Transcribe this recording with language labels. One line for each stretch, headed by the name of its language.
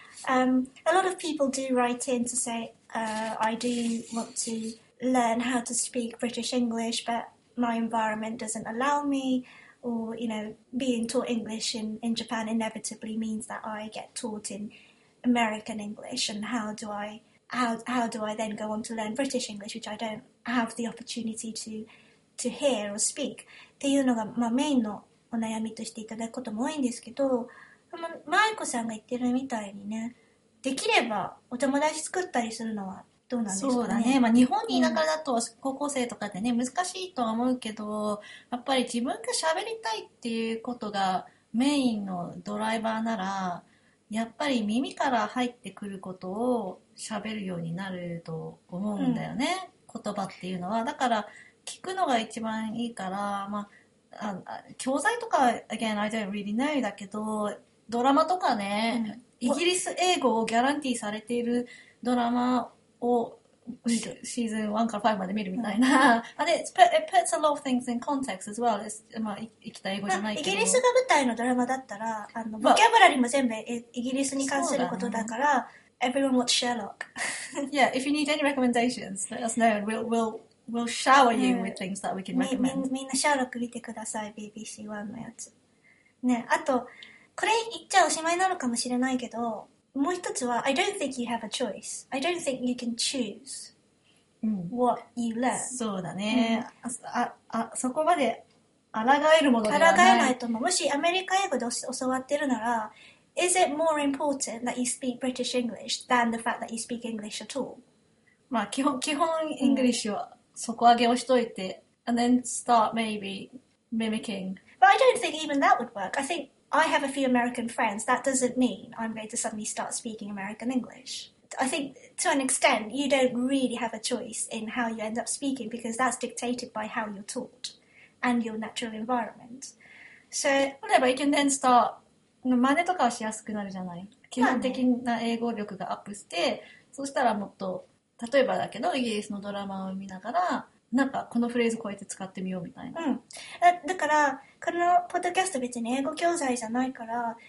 English: A lot of people do write in to say, I do want to learn how to speak British English, but my environment doesn't allow me. Or, you know, being taught English in Japan inevitably means that I get taught in American English. And how do I then go on to learn British English, which I don't have the opportunity to hear or speak?
Japanese: っていうのが、まあ、メインのお悩みとしていただくことも多いんですけど、マイコさんが言ってるみたいにね、できればお友達作ったりするのはどうなんですかね。そうだね、まあ、日本にいながらだと高校生とかでね、うん、難しいとは思うけど、やっぱり自分が喋りたいっていうことがメインのドライバーなら、やっぱり耳から入ってくることを喋るようになると思うんだよね、うん、言葉っていうのは。だから聞くのが一番いいから、まあ、教材とか
English: again I don't really know
Japanese: だけど、ドラマとかね、うん、イギリス英語をギャランティーされているドラマをシーズン1から5まで見るみたいな、うん、
English: it puts a lot of things in context as well.
Japanese: It's, まあ、生きた英語じゃないけど、イギリスが舞台のドラマだったら、あの、ボキャブラリーも全部イギリスに関することだから、
English: Everyone watch Sherlock. Yeah, if you need any recommendations, let us know and we'll We'll shower you with things that we can recommend.
Japanese: みんなシャーロック見てください、BBC1 のやつ。ね、あと、これ言っちゃおしまいなのかもしれないけど、もう一つは、
English: I don't think you have a choice. I don't think you can choose what you learn.
Japanese: そうだね。そこまで抗えるものではない。抗えないと思う。もしアメリカ英語で教わってるなら、
English: Is it more important that you speak British English than the fact that you speak English at all?
Japanese: まあ、基本、イングリッシュは底上げをしといて、
English: and then start maybe mimicking. But I don't think even that would work. I think I have a few American friends. That doesn't mean I'm going to suddenly start speaking American English. I think to an extent, you don't really have a choice in how you end up speaking because that's dictated by how you're taught and your natural environment. So, whatever, you can then start...
Japanese: 真似とかはしやすくなるじゃない。基本的な英語力がアップして、まあね、そうしたらもっと、例えばだけど、イギリスのドラマを見ながら、なんかこのフレーズこうやって使ってみようみたいな。うん。だから、このポッドキャスト別に英語教材じゃないから、